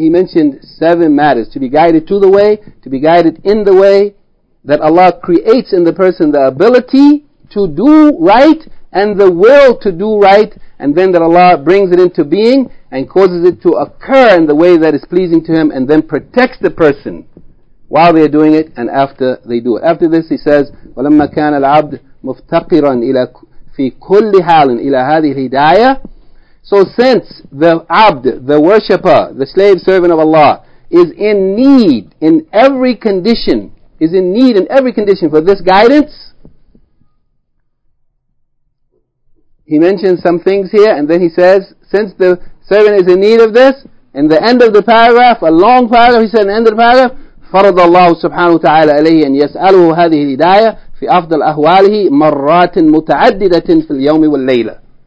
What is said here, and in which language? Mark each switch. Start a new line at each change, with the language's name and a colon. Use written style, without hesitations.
English: He mentioned seven matters. To be guided to the way, to be guided in the way, that Allah creates in the person the ability to do right and the will to do right, and then that Allah brings it into being and causes it to occur in the way that is pleasing to Him, and then protects the person while they are doing it and after they do it. After this he says,
Arabic: وَلَمَّا كَانَ الْعَبْدِ مُفْتَقِرًا إِلَى فِي كُلِّ حَالٍ إِلَى هَذِهِ الْهِدَايَةِ.
English: So since the abd, the worshipper, the slave servant of Allah, is in need in every condition, is in need in every condition for this guidance, he mentions some things here, and then he says, since the servant is in need of this, in the end of the paragraph, a long paragraph, he said in the end of the paragraph,
Arabic: فَرَضَ اللَّهُ سُبْحَانَهُ وَتَعَالَى عَلَيْهِ أَنْ يَسْأَلُهُ هَذِهِ الْهِدَايَةِ فِي أَفْضَلْ أَهْوَالِهِ مَرَّاتٍ مُتَعَدِّدَةٍ فِي الْيَوْمِ وَالْلَّيْلَةِ.